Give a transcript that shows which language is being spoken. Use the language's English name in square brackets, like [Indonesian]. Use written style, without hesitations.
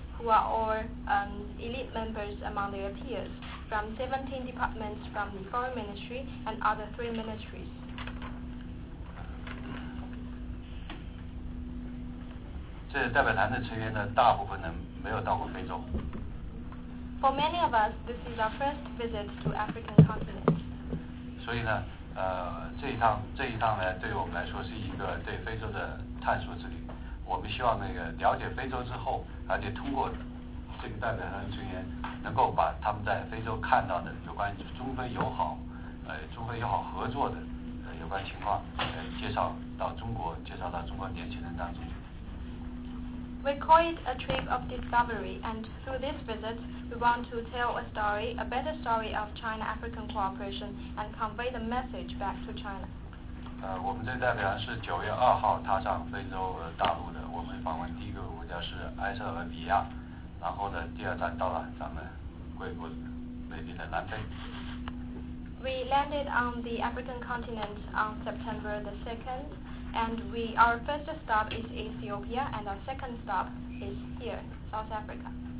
[English] Who are all elite members among their peers from 17 departments from the Foreign Ministry and other three ministries. This [Chinese] 代表团的成员呢，大部分呢没有到过非洲。 [English] For many of us, this is our first visit to African continent. [Chinese] 所以呢，这一趟呢，对我们来说是一个对非洲的探索之旅。我们希望那个了解非洲之后，而且通过这个代表团成员，能够把他们在非洲看到的有关中非友好、中非友好合作的有关情况，介绍到中国，介绍到中国年轻人当中去。 [English] We call it a trip of discovery, and through this visit, we want to tell a story, a better story of China-African cooperation, and convey the message back to China. [Chinese] 我们这代表团是九月二号踏上非洲大陆的。我们访问第一个国家是埃塞俄比亚，然后呢，第二站到了咱们贵国美丽的南非。 [English] We landed on the African continent on September the 2nd, and our first stop is Ethiopia, and our second stop is here, South Africa.